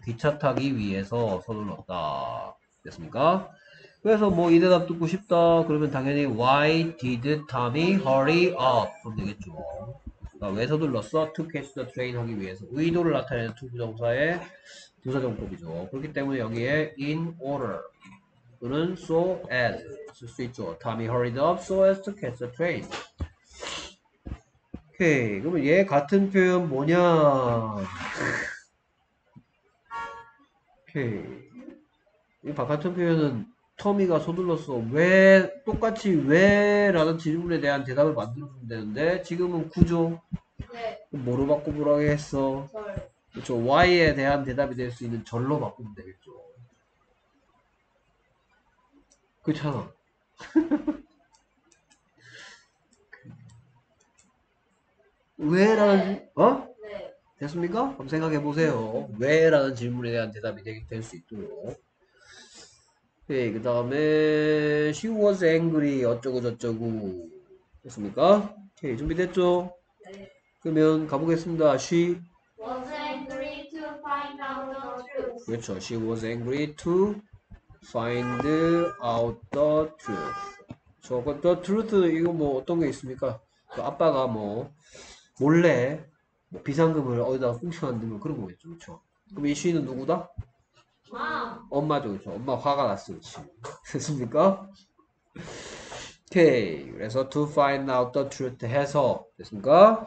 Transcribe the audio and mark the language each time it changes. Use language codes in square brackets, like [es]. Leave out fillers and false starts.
[ko] 기차 타기 위해서 서둘렀다. 됐습니까? 그래서 뭐이 대답 듣고 싶다. 그러면 당연히 [en] Why did Tommy hurry up? [ko] 그럼 되겠죠. 그러니까 왜 서둘렀어? [en] To catch the train [ko] 하기 위해서. 의도를 나타내는 to 부정사의 부사정법이죠. 그렇기 때문에 여기에 in order 또는 so as 쓸수 있죠. [en] Tommy hurried up so as to catch the train. [ko] 오케이. 그러면 얘 같은 표현 뭐냐? 오케이. 이 바깥 표현은 토미가 서둘렀어. 왜? 똑같이 왜? 라는 질문에 대한 대답을 만들어주면 되는데 지금은 구조. 뭐로 바꾸라고 했어? 그렇죠. Y에 대한 대답이 될수 있는 절로 바꾸면 되겠죠. 그렇잖아. 왜라는, 어? 됐습니까? 한번 생각해 보세요. 왜라는 질문에 대한 대답이 될수 있도록. 네, 그 다음에, [en] she was angry, [ko] 어쩌고저쩌고. 됐습니까? 오케이, 준비됐죠? 그러면 가보겠습니다. She [en] Was angry to find out the truth. [ko] 그렇죠. [en] She was angry to find out the truth. [ko] 저, the truth, 이거 뭐 어떤 게 있습니까? 그 아빠가 뭐, 몰래 뭐 비상금을 어디다가 꽂혀놨는 그런 거겠죠. 그렇죠. 그럼 이 시인은 누구다? [en] Mom. [ko] 엄마죠. 그렇죠. 엄마 화가 났어요. 됐습니까? 오케이. 그래서 [en] to find out the truth [ko] 해서 됐습니까?